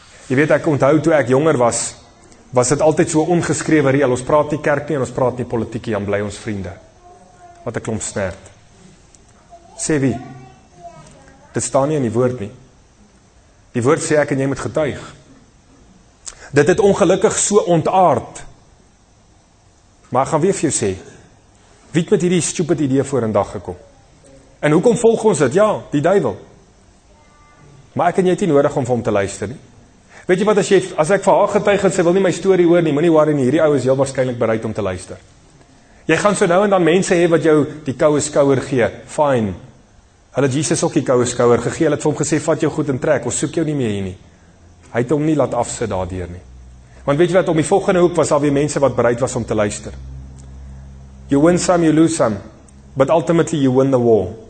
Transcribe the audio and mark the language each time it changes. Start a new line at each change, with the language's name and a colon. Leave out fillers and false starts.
Afrikaans: Jy weet, ek onthou toe ek jonger was, was dit altyd so ongeskrewe reël, ons praat nie kerk nie en ons praat nie politiek nie, dan bly ons vriende. Wat 'n klomp snert. Sê wie? Dit staan nie in die woord nie. Die woord sê ek en jy moet getuig. Dit het ongelukkig so ontaard. Maar ek gaan weer vir jou sê, wie het met hierdie stupid idee voor in dag gekom? En hoekom volg ons dit? Ja, die duivel. Maar ek en jy het nie nodig om vir hom te luister nie. Weet jy wat, as ek vir haar getuig en sy wil nie my story hoor nie, moenie worry nie, hierdie ou is heel waarskynlik bereid om te luister. Jy gaan so nou en dan mense hê wat jou die koue skouer gee, fine. Hulle het Jesus ook die koue skouer gegee, hulle het vir hom gesê, vat jou goed en trek, ons soek jou nie meer hier nie. Hy het hom nie laat afsit daardeur nie. Want weet jy wat, om die volgende hoek was alweer mense wat bereid was om te luister.
English: You win some, you lose some, but ultimately you win the war.